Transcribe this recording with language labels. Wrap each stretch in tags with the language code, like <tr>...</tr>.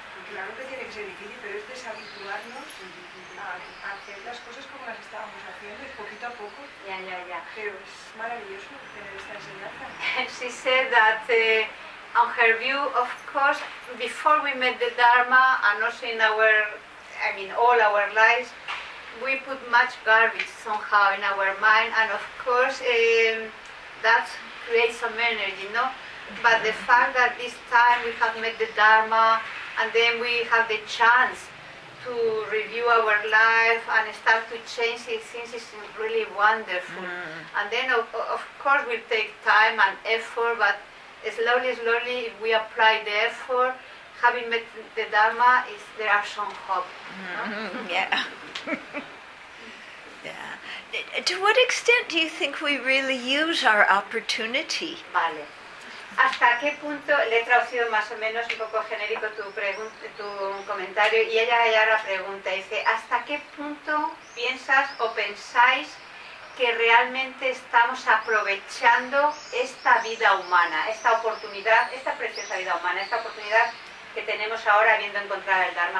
<es>Claro que tiene que ser difícil, pero es deshabituarnos a hacer las cosas como las estábamos haciendo, poquito a poco. Ya. Pero es maravilloso tener esta enseñanza.</es> <en>She said that on her view, of course, before we met the Dharma and also in all our lives, we put much garbage somehow in our mind, and of course that creates some energy, no? But the fact that this time we have met the Dharma and then we have the chance to review our life and start to change these things is really wonderful. Mm. And then of course we'll take time and effort, but slowly if we apply the effort, having met the Dharma, there are some hope. Mm-hmm. No? Yeah. Yeah. To what extent do you think we really use our opportunity?</en> <es>Vale. ¿Hasta qué punto? Le he traducido más o menos un poco genérico tu comentario, y ella ya la pregunta. Dice, ¿hasta qué punto piensas o pensáis que realmente estamos aprovechando esta vida humana, esta oportunidad, esta preciosa vida humana, esta oportunidad que tenemos ahora habiendo encontrado el Dharma?</es>